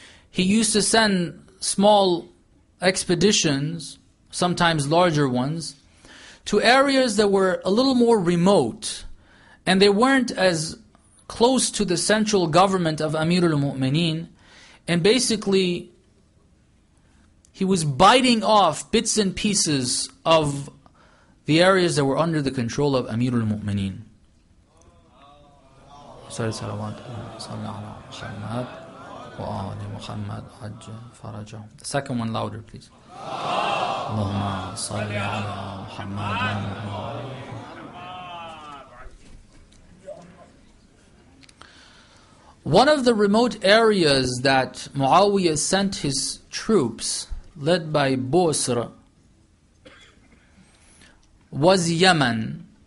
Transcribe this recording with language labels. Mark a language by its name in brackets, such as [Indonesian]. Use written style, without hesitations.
[English] He used to send small expeditions, sometimes larger ones, to areas that were a little more remote, and they weren't as close to the central government of Amir al-Mu'mineen. And basically, he was biting off bits and pieces of the areas that were under the control of Amir al-Mu'mineen. [Arabic] صلى الله عليه وسلم وآل محمد حج فرجه. [English] The second one louder, please. [Arabic] اللهم صل على محمد. [English] One of the remote areas that Muawiyah sent his troops, led by Busr, was Yemen.